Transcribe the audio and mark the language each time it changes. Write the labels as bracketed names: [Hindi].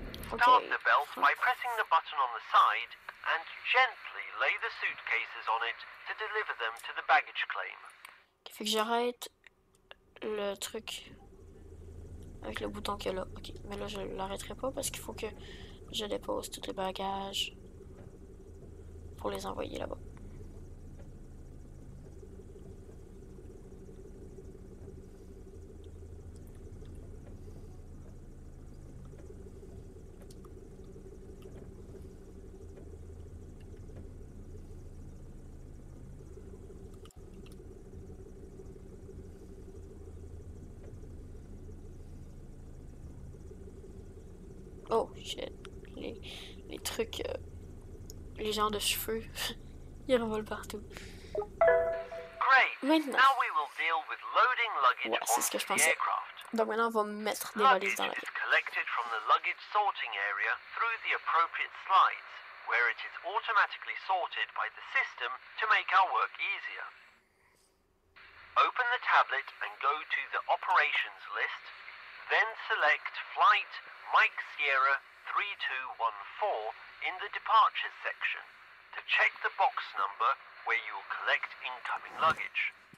[English] Start the belt by pressing the button on the side and gently lay the suitcases on it to deliver them to the baggage claim. [French] Okay, fait que j'arrête le truc avec le bouton qu'il y a là. Ok, mais là je l'arrêterai pas parce qu'il faut que je dépose tous les bagages pour les envoyer là-bas. [English] Oh shit, [French] les trucs, les genres de cheveux, ils revolent partout. [English] Great. [French] Maintenant, [English] now we will deal with loading luggage [French] ouais, c'est ce que je pensais. [English] Aircraft. [French] Donc maintenant, on va mettre des valises dans l'avion. [English] Is collected from the luggage sorting area through the appropriate slides, where it is automatically sorted by the system to make our work easier. open the tablet and go to the operations list, then select Flight Mike Sierra 3214 in the departures section to check the box number where you will collect incoming luggage.